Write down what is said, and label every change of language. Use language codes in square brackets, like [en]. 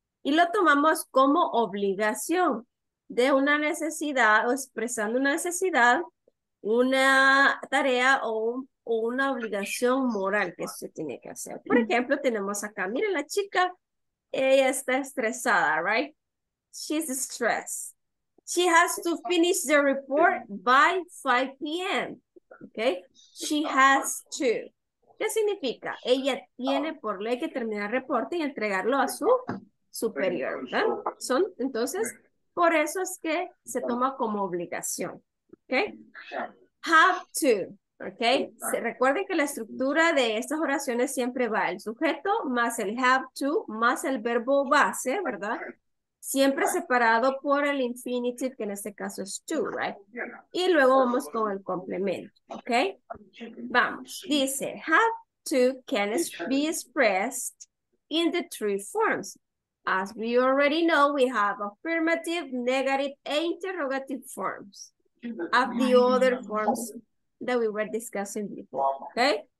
[es] y lo tomamos como obligación de una necesidad o expresando una necesidad, una tarea o una obligación moral que se tiene que hacer. Por ejemplo, tenemos acá, miren la chica, ella está estresada, [en] right? She's stressed. She has to finish the report by 5 p.m. Okay? She has to. [es] ¿Qué significa? Ella tiene por ley que terminar el reporte y entregarlo a su superior, ¿verdad? Son, entonces, por eso es que se toma como obligación. Okay? [en] Have to. [es] Okay? Se, recuerden que la estructura de estas oraciones siempre va el sujeto más el [en] have to [es] más el verbo base, ¿verdad? Siempre separado por el infinitive, que en este caso es to, [en] right? [es] Y luego vamos con el complemento, ¿ok? Vamos. Dice, [en] have to can be expressed in the three forms. As we already know, we have affirmative, negative, and interrogative forms of the other forms that we were discussing before, ¿ok?